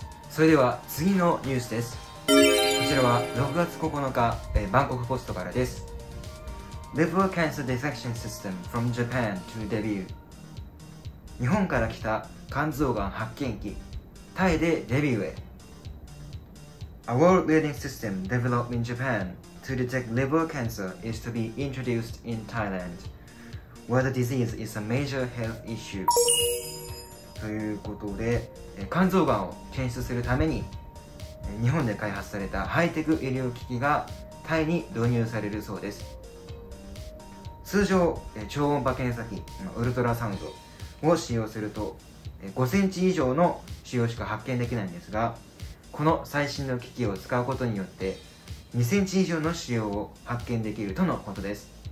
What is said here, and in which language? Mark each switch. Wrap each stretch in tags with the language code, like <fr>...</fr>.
<ja>それでは次のニュースです。こちらは6月9日、バンコクポストからです。</ja> <en>Liver Cancer Detection System from Japan to debut。</en> <ja>日本から来た肝臓がん発見機タイでデビューへ。</ja> <en>A world leading system developed in JapanTo detect liver cancer is to be introduced in Thailand, where the disease is a major health issue.</en> <ja>ということで、肝臓がんを検出するために日本で開発されたハイテク医療機器がタイに導入されるそうです。通常超音波検査機ウルトラサウンドを使用すると5センチ以上の腫瘍しか発見できないんですが、この最新の機器を使うことによって2センチ以上の腫瘍を発見できるとのことです。</ja>